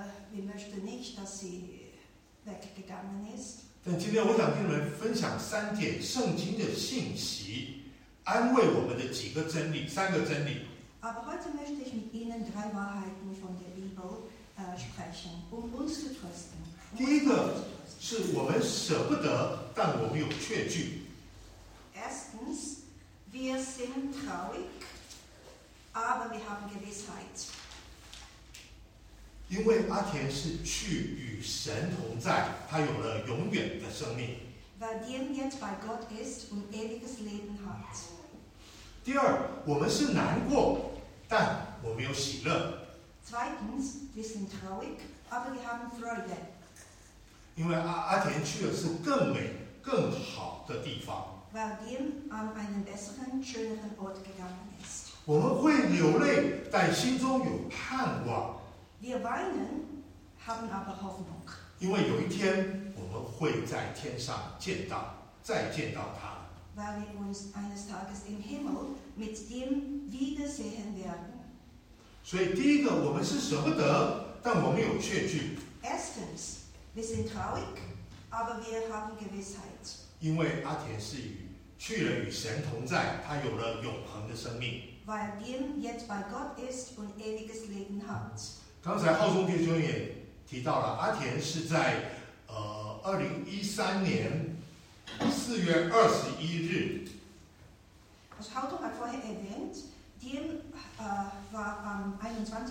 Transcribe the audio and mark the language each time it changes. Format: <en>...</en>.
<de>Wir möchten nicht, dass sie weggegangen ist.</de> <zh>但今天我想跟你们分享三点圣经的信息，安慰我们的几个真理，三个真理。</zh> <de>Aber heute möchte ich mit Ihnen drei Wahrheiten von der Bibel sprechen, um uns zu trösten.</de> <zh>第一个是我们舍不得，但我们有确据。</zh> <de>Erstens, wir sind traurig, aber wir haben Gewissheit.</de> <zh>因为阿田是去与神同在，他有了永远的生命。</zh> <de>Weil Dien jetzt bei Gott ist und ewiges Leben hat.</de> <zh>第二，我们是难过，但我们有喜乐。</zh> <de>Zweitens, wir sind traurig, aber wir haben Freude.</de> <zh>因为阿田去的是更美、更好的地方。</zh> <de>Weil Dien an einen besseren, schöneren Ort gegangen ist.</de> <zh>我们会流泪，但心中有盼望。</zh> <de>Wir weinen, haben aber Hoffnung.</de> <zh>因为有一天我们会在天上见到，再见到他。</zh> <de>Weil wir uns eines Tages im Himmel mit ihm wiedersehen werden.</de> <zh>所以第一个，我们是舍不得，但我们有确据。</zh> <de>Erstens, wir sind traurig, aber wir haben Gewissheit.</de> <zh>因为阿田是去了与神同在，他有了永恒的生命。</zh> <de>Weil Dien jetzt bei Gott ist und ewiges Leben hat.</de> <zh>刚才浩中弟兄也提到了，阿田是在2013年4月21日。</zh> <de>Was Hauto hat vorher erwähnt, dem war am 21.</de>